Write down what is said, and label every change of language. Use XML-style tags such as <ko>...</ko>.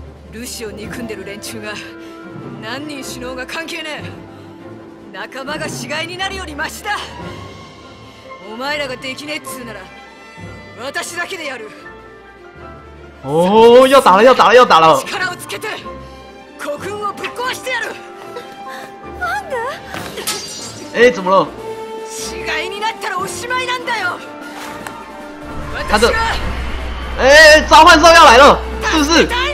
<ja>ルシを憎んでる連中が何人死のうが関係ねえ。仲間が死骸になるよりマシだ。お前らができねえっつうなら、私だけでやる。</ja> <zh>哦，要打了，要打了，要打了！</zh> <ja>力をつけて、国軍をぶっ壊してやる。ファンが？</ja> <zh>哎，怎么了？</zh> <ja>死骸になったらおしまいなんだよ。</ja> <zh>他的，哎，召唤兽要来了，是不是？</zh>